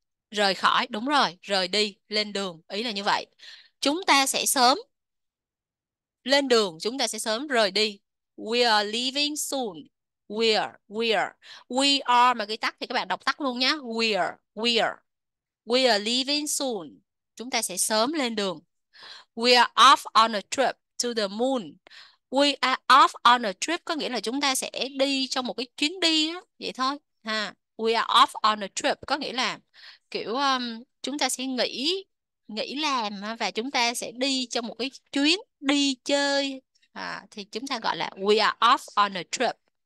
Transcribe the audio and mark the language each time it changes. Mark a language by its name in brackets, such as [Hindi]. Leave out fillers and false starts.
[Vietnamese] Rời khỏi, đúng rồi, rời đi, lên đường, ý là như vậy. Chúng ta sẽ sớm lên đường, chúng ta sẽ sớm rời đi. [English] We are leaving soon. We are [Vietnamese] mà cái tắt thì các bạn đọc tắt luôn nhé. [English] We are leaving soon. [Vietnamese] Chúng ta sẽ sớm lên đường. [English] We are off on a trip to the moon. We are off on a trip [Vietnamese] có nghĩa là chúng ta sẽ đi trong một cái chuyến đi á, vậy thôi ha. [English] We are off on a trip [Vietnamese] có nghĩa là kiểu chúng ta sẽ nghỉ nghỉ làm và chúng ta sẽ đi trong một cái chuyến đi chơi thì chúng ta gọi là we are off on a trip.